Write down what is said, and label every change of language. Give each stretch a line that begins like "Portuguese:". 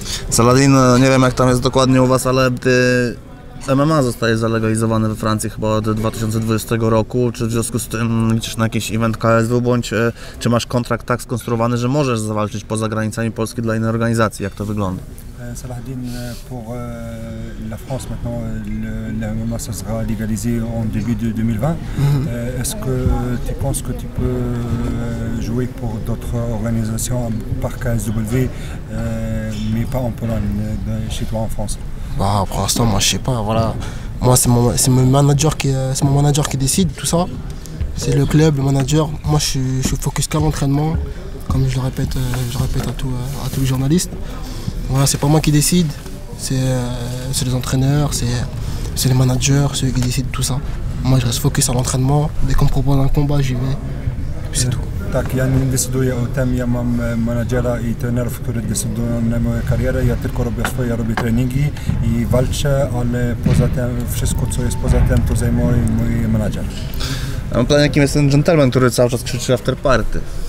Polish: Saladin, nie wiem jak tam jest dokładnie u was, ale ty... MMA zostaje zalegalizowane we Francji chyba od 2020 roku. Czy w związku z tym liczysz na jakiś event KSW, bądź czy masz kontrakt tak skonstruowany, że możesz zawalczyć poza granicami Polski dla innej organizacji? Jak to wygląda?
French: Salah Din pour la France maintenant, la MMA ça sera légalisé en début de 2020. Est-ce que tu penses que tu peux jouer pour d'autres organisations par KSW mais pas en Pologne, chez toi en France? Bah pour l'instant moi je sais pas, voilà. Moi c'est mon manager qui décide tout ça. C'est le club, le manager. Moi je suis focus qu'à l'entraînement, comme je le répète à tous les journalistes. Voilà, c'est pas moi qui décide, c'est les entraîneurs, c'est les managers, ceux qui décident tout ça. Moi je reste focus à l'entraînement, dès qu'on me propose un combat, j'y vais. C'est tout.
Polish: Tak, ja nie decyduję o tym, ja mam menadżera i trenerów, którzy decydują na moją karierę. Ja tylko robię swoje, ja robię treningi i walczę, ale poza tym, wszystko co jest poza tym, to zajmuje mój menadżer. A mam plan, jakim jest ten dżentelmen, który cały czas krzyczy after party?